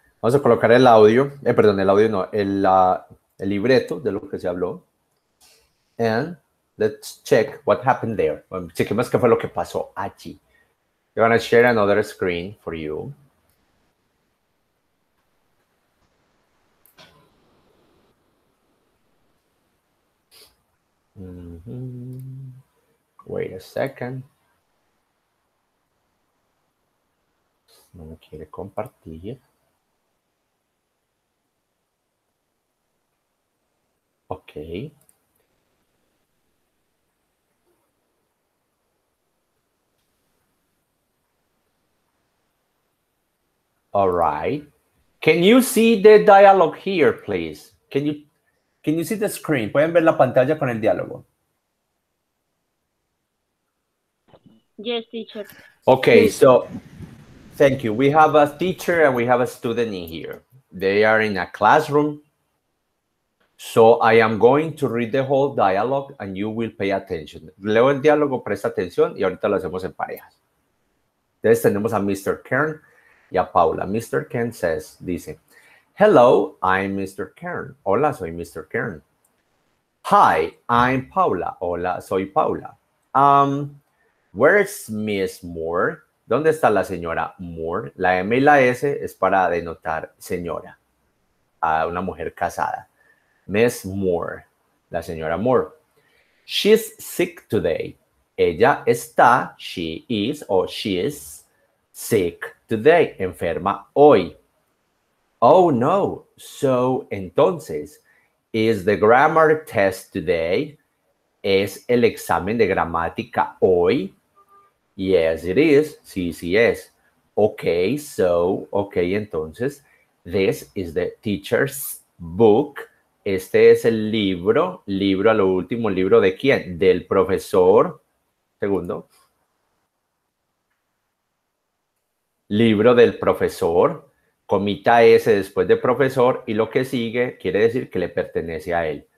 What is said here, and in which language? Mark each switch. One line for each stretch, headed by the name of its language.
Spanish: Vamos a colocar el audio, perdón, el audio no, el libreto de lo que se habló.
English: And let's check what happened there.
Spanish: Bueno, chequemos qué fue lo que pasó allí.
English: I'm going to share another screen for you. Wait a second.
Spanish: No me quiere compartir.
English: Okay. All right. Can you see the dialogue here, please? Can you see the screen?
Spanish: ¿Pueden ver la pantalla con el diálogo?
English: Yes, teacher. Okay, so thank you. We have a teacher and we have a student in here. They are in a classroom. So I am going to read the whole dialogue and you will pay attention.
Spanish: Leo el diálogo, presta atención y ahorita lo hacemos en parejas. Entonces tenemos a Mr. Kern y a Paula.
English: Mr. Kern says,
Spanish: dice,
English: hello, I'm Mr. Kern.
Spanish: Hola, soy Mr. Kern.
English: Hi, I'm Paula.
Spanish: Hola, soy Paula.
English: Where's Miss Moore?
Spanish: ¿Dónde está la señora Moore? La M y la S es para denotar señora, a una mujer casada.
English: Miss Moore,
Spanish: la señora Moore.
English: She's sick today.
Spanish: Ella está, she is, o
English: she is sick today,
Spanish: enferma hoy. Oh, no.
English: So, entonces, is the grammar test today?
Spanish: ¿Es el examen de gramática hoy?
English: Yes, it is.
Spanish: Sí, sí es.
English: Okay, so, okay, entonces, this is the teacher's book.
Spanish: Este es el libro, libro a lo último, ¿libro de quién? Del profesor. Segundo. Libro del profesor, comita S después de profesor y lo que sigue quiere decir que le pertenece a él.